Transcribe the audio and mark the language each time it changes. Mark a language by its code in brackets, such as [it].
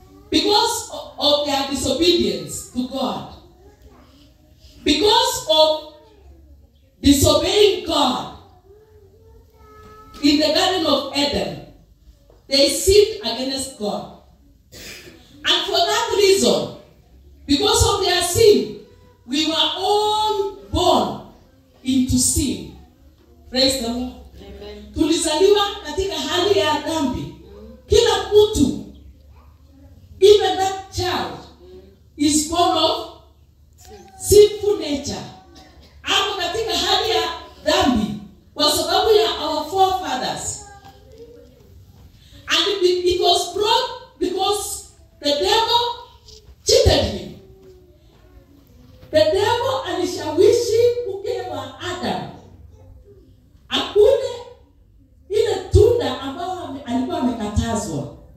[en] because of their disobedience to God, because of disobeying God in the Garden of Eden, they sinned against God. And for that reason, because of their sin, we were all born into sin. Praise the Lord. [sw] Tulizaliwa katika hali ya dhambi. Kila mtu, [en] even that child, is born of sinful nature. [sw] Ako katika hali ya dhambi kwa sababu ya [en] our forefathers. And it was brought because the devil cheated him. [sw] The devil alishawishi kukewa Adam akule ile tunda ambao alikuwa amekatazwa.